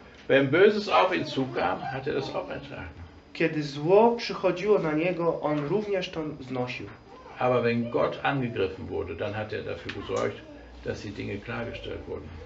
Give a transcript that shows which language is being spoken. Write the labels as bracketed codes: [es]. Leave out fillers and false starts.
[de] Wenn Böses auf ihn zukam, hat er das auch ertragen. [pl] Kiedy zło przychodziło na niego, on również to znosił. [de] Aber wenn Gott angegriffen wurde, dann hat er dafür gesorgt, dass die Dinge klargestellt wurden.